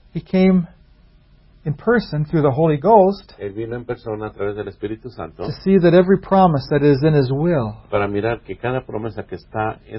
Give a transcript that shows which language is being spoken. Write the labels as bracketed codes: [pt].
[en] He came in person through the Holy Ghost, [es] él vino en persona a través del Espíritu Santo, [en] to see that every promise that is in his will [es] para mirar que cada promesa que está en